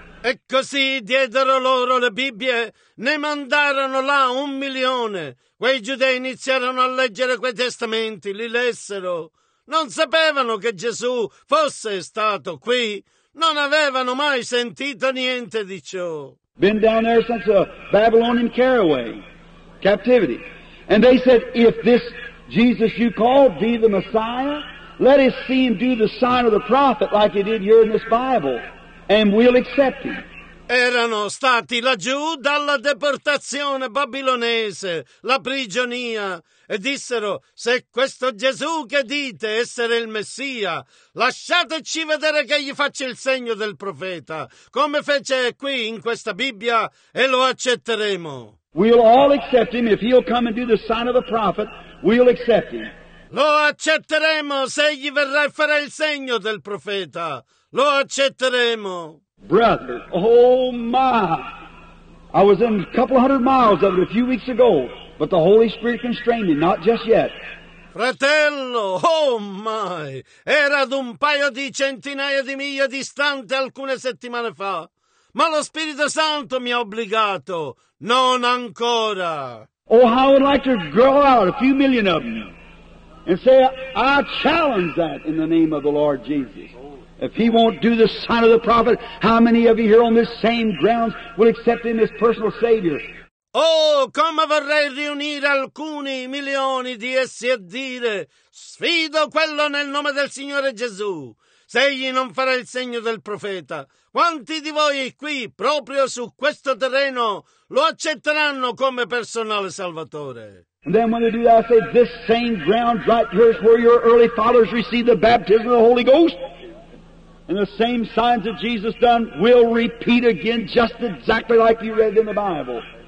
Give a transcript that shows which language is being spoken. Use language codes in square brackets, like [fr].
[it] E così diedero loro le Bibbie, ne mandarono là 1,000,000. Quei giudei iniziarono a leggere quei testamenti, li lessero. Non sapevano che Gesù fosse stato qui. Non avevano mai sentito niente di ciò. [en] Been down there since the Babylonian caraway, captivity. And they said, if this Jesus you called be the Messiah, let us see him do the sign of the prophet like he did here in this Bible. And we'll accept him. [it] Erano stati laggiù dalla deportazione babilonese, la prigionia, e dissero, se questo Gesù che dite essere il Messia, lasciateci vedere che gli faccia il segno del profeta, come fece qui in questa Bibbia, e lo accetteremo. [en] We'll all accept him. If he'll come and do the sign of the prophet, we'll accept him. [it] Lo accetteremo se egli verrà e farà il segno del profeta. Lo accetteremo. [en] Brother, oh my! I was in a couple of 100 miles of it a few weeks ago, but the Holy Spirit constrained me, not just yet. [it] Fratello, [en] oh my! [it] Era ad un paio di centinaia di miglia distante alcune settimane fa, ma lo Spirito Santo mi ha obbligato, non ancora. [en] Oh, how I'd like to grow out a few million of them and say, I challenge that in the name of the Lord Jesus. If he won't do the sign of the prophet, how many of you here on this same ground will accept him as personal Savior? [it] Oh, come vorrei riunire alcuni milioni di essi e dire, sfido quello nel nome del Signore Gesù. Se egli non farà il segno del profeta, quanti di voi qui, proprio su questo terreno, lo accetteranno come personale salvatore? [en] And then when they do that, I say, this same ground right here is where your early fathers received the baptism of the Holy Ghost. And the same signs that Jesus done will repeat again just exactly like you read in the Bible.